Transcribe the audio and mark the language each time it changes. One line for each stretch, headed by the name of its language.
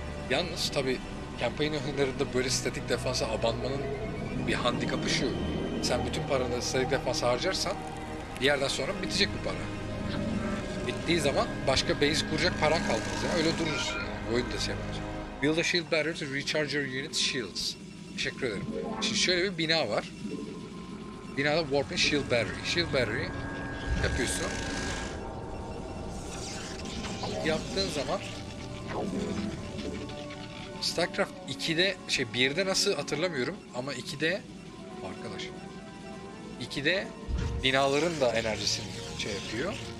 Turkish: Yalnız tabi campaign oyunlarında böyle statik defansa abanmanın bir handikapı şu. Sen bütün paranı statik defansa harcarsan bir yerden sonra bitecek bu para. Bittiği zaman başka base kuracak paran kalmaz ya. Öyle durursun yani. Void da şey yapacak.
English: Build a shield battery to recharge your unit's shields.
Turkish: Teşekkür ederim. Şimdi şöyle bir bina var. Binada warping shield battery. Shield battery yapıyorsun. Yaptığın zaman StarCraft 2'de şey 1'de nasıl hatırlamıyorum ama 2'de arkadaş 2'de binaların da enerjisini şey yapıyor.